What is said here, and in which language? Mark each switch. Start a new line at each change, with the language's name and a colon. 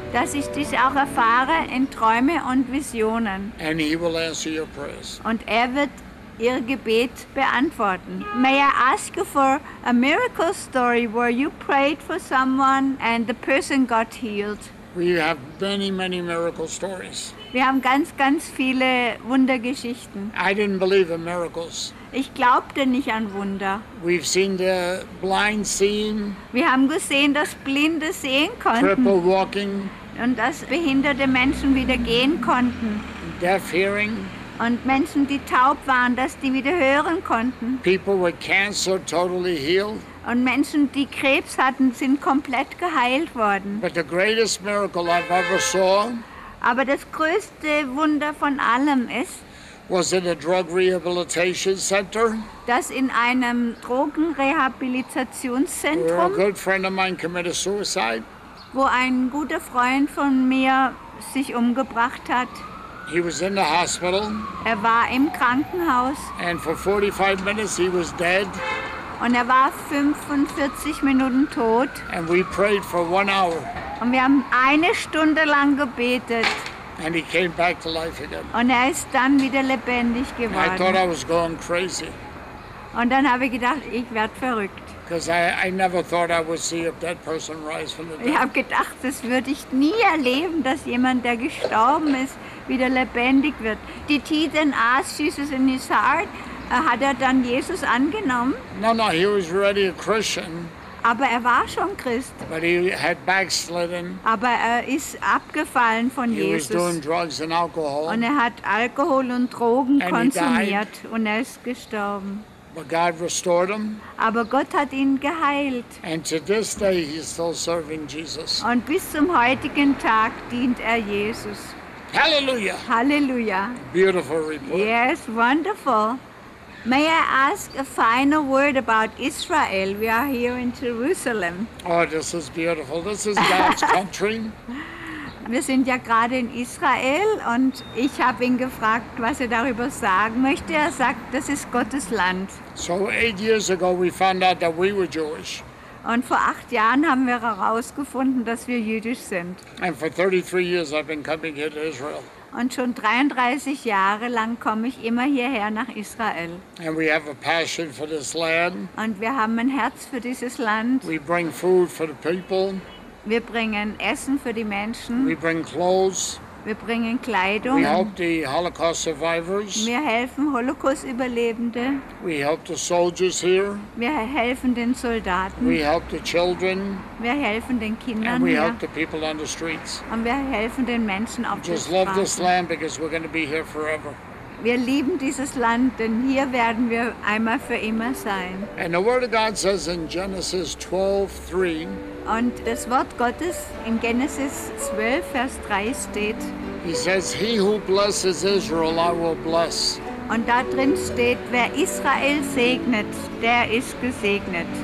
German: Dass ich dich auch erfahre in Träume und Visionen.
English: And he will answer your prayers.
German: Und er wird ihr Gebet beantworten.
English: May I ask you for a miracle story where you prayed for someone and the person got healed? We have many, many miracle stories.
German: Wir haben ganz, ganz viele Wundergeschichten.
English: I didn't believe in miracles.
German: Ich glaubte nicht an Wunder.
English: We've seen the blind seeing.
German: Wir haben gesehen, dass Blinde sehen konnten.
English: Cripple walking.
German: Und dass behinderte Menschen wieder gehen konnten.
English: Deaf hearing.
German: Und Menschen, die taub waren, dass die wieder hören konnten.
English: People with cancer totally healed.
German: Und Menschen, die Krebs hatten, sind komplett geheilt worden.
English: But the greatest miracle I've ever saw.
German: Aber das größte Wunder von allem ist.
English: Was in a drug rehabilitation center.
German: Das in einem Drogenrehabilitationszentrum.
English: Where a good friend of mine committed suicide.
German: Wo ein guter Freund von mir sich umgebracht hat.
English: He was in the hospital.
German: Er war im Krankenhaus.
English: And for 45 minutes he was dead.
German: Und er war 45 Minuten tot.
English: And we prayed for 1 hour.
German: Und wir haben eine Stunde lang gebetet.
English: And he came back to life again.
German: Und er ist dann wieder lebendig geworden.
English: I thought I was going crazy.
German: Und dann habe ich gedacht, ich werde verrückt.
English: Because I never thought I would see a dead person rise from the dead.
German: Ich habe gedacht, das würde ich nie erleben, dass jemand, der gestorben ist, wieder lebendig wird.
English: Did he then ask Jesus in his heart?
German: Hat er dann Jesus angenommen?
English: No, he was already a Christian.
German: Aber er war schon Christ.
English: But he had backslidden.
German: Aber er ist abgefallen von
English: he
German: Jesus.
English: Was doing drugs and alcohol.
German: Und er hat Alkohol und Drogen
English: and
German: konsumiert und er ist gestorben.
English: But God restored him.
German: Aber Gott hat ihn geheilt.
English: And to this day he's still serving Jesus.
German: Und bis zum heutigen Tag dient er Jesus.
English: Hallelujah.
German: Hallelujah.
English: Beautiful report. Yes, wonderful. May I ask a final word about Israel? We are here in Jerusalem. Oh, this is beautiful. This is God's country.
German: Wir sind ja gerade in Israel und ich habe ihn gefragt, was er darüber sagen möchte. Er sagt, das ist Gottes Land.
English: So 8 years ago we found out that we were Jewish.
German: Und vor 8 Jahren haben wir herausgefunden, dass wir jüdisch sind.
English: And for 33 years I've been coming here to Israel.
German: Und schon 33 Jahre lang komme ich immer hierher nach Israel.
English: And we have a passion for this land.
German: Und wir haben ein Herz für dieses Land.
English: We bring food for the people.
German: Wir bringen Essen für die Menschen.
English: We bring clothes.
German: Wir bringen Kleidung.
English: We help the Holocaust survivors.
German: Wir helfen Holocaust-Überlebende.
English: We help the soldiers here.
German: Wir helfen den Soldaten.
English: We help the children.
German: Wir helfen den Kindern.
English: And we help the people on the streets.
German: Und wir helfen den Menschen auf der Straße.
English: We just love this land because we're going to be here forever.
German: Wir lieben dieses Land, denn hier werden wir einmal für immer sein.
English: And the Word of God says in Genesis 12:3.
German: Und das Wort Gottes in Genesis 12, Vers 3 steht.
English: He says, he who blesses Israel, I will bless.
German: Und da drin steht, wer Israel segnet, der ist gesegnet.